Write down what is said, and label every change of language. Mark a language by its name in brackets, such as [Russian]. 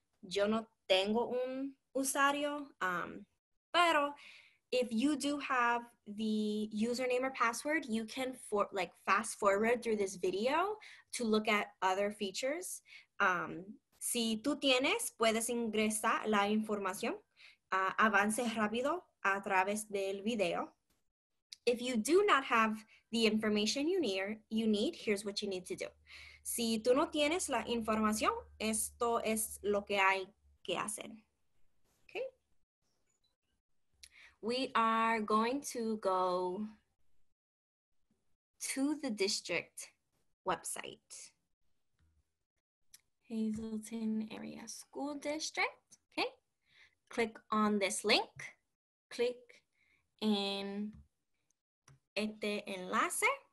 [Spanish] Yo no tengo un usuario, pero [English] if you do have the username or password, you can fast forward through this video to look at other features. [Spanish] Si tú tienes, puedes ingresar la información. Avance rápido a través del video. [English] If you do not have the information you need, here's what you need to do. [Spanish] Si tú no tienes la información, esto es lo que hay que hacer. [English] We are going to go to the district website. Hazleton Area School District, okay? Click on this link. [Spanish] Click in este enlace.